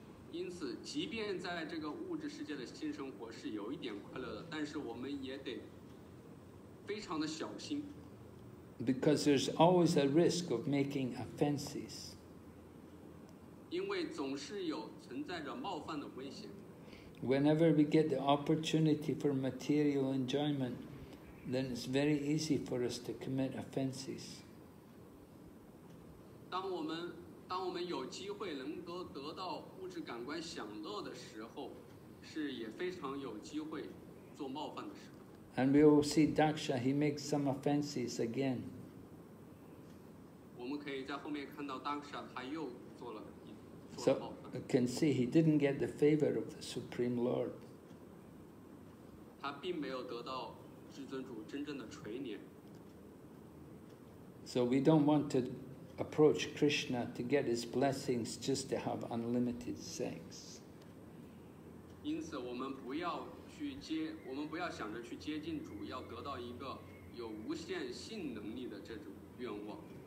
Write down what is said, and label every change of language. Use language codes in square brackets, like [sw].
[zh] 因此即便在这个物质世界的性生活是有一点快乐的，但是我们也得非常的小心。 [en] Because there's always a risk of making offenses. [zh] 因为总是有存在着冒犯的危险。 [en] Whenever we get the opportunity for material enjoyment, then it's very easy for us to commit offenses. [zh] 当我们有机会能够得到物质感官享乐的时候，是也非常有机会做冒犯的时候。 [en] And we will see Daksha, he makes some offenses again. [zh] 我们可以在后面看到 Daksha, 他又做了 [en] So you can see he didn't get the favor of the Supreme Lord. [zh] 他并没有得到至尊主真正的垂怜。 [en] So we don't want to. Approach Krishna to get his blessings just to have unlimited sex. [zh] 因此我们不要去接，我们不要想着去接近主，要得到一个有无限性能力的这种愿望。